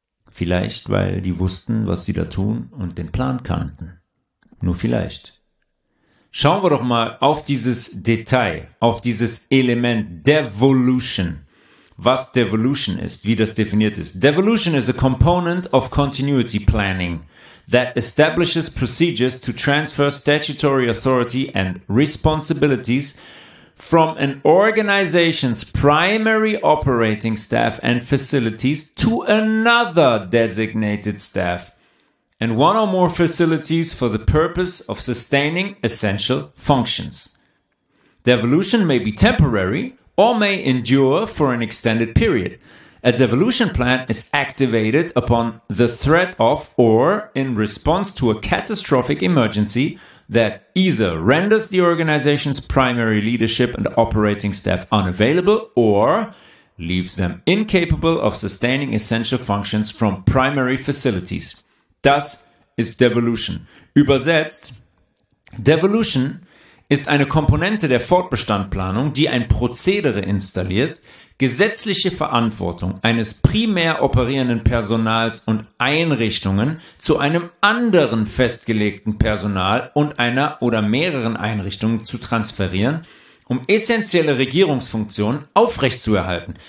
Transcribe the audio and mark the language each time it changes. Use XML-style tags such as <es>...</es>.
<de>Vielleicht, weil die wussten, was sie da tun und den Plan kannten. Nur vielleicht. Schauen wir doch mal auf dieses Detail, auf dieses Element Devolution. Was Devolution ist, wie das definiert ist.</de> <en>Devolution is a component of continuity planning that establishes procedures to transfer statutory authority and responsibilities from an organization's primary operating staff and facilities to another designated staff and one or more facilities for the purpose of sustaining essential functions. Devolution may be temporary or may endure for an extended period. A devolution plan is activated upon the threat of or in response to a catastrophic emergency that either renders the organization's primary leadership and operating staff unavailable or leaves them incapable of sustaining essential functions from primary facilities.</en> <de>Das ist Devolution. Übersetzt, Devolution ist eine Komponente der Fortbestandplanung, die ein Prozedere installiert, gesetzliche Verantwortung eines primär operierenden Personals und Einrichtungen zu einem anderen festgelegten Personal und einer oder mehreren Einrichtungen zu transferieren, um essentielle Regierungsfunktionen aufrechtzuerhalten.</de>